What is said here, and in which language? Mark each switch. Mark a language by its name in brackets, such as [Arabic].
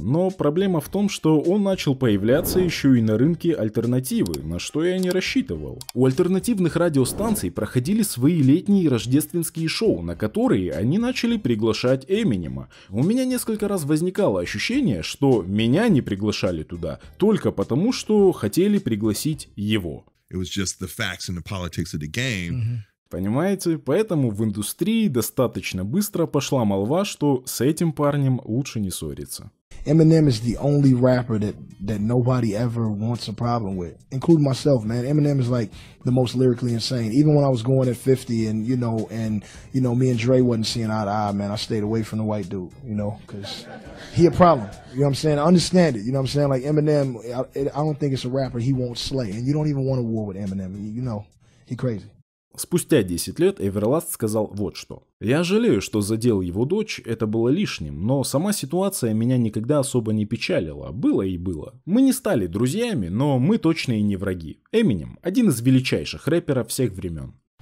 [Russian] Но проблема в том, что он начал появляться еще и на рынке альтернативы, на что я не рассчитывал. У альтернативных радиостанций проходили свои летние и рождественские шоу, на которые они начали приглашать Эминема. У меня несколько раз возникало ощущение, что меня не приглашали туда, только потому, что хотели пригласить его. [English] It was just the facts and the politics of the game. [Russian] Понимаете? Поэтому в индустрии достаточно быстро пошла молва, что с этим парнем лучше не ссориться. [English] Eminem is the only rapper that nobody ever wants a problem with, including myself, man. Eminem is like the most lyrically insane. Even when I was going at 50 and me and Dre wasn't seeing eye to eye, man, I stayed away from the white dude, you know, because he a problem. You know what I'm saying? I understand it. You know what I'm saying? Like Eminem, I don't think it's a rapper he won't slay. And you don't even want a war with Eminem. You know, he crazy. [Russian] Спустя 10 лет Эверласт сказал вот что. «Я жалею, что задел его дочь, это было лишним, но сама ситуация меня никогда особо не печалила, было и было. Мы не стали друзьями, но мы точно и не враги. Эминем – один из величайших рэперов всех времен».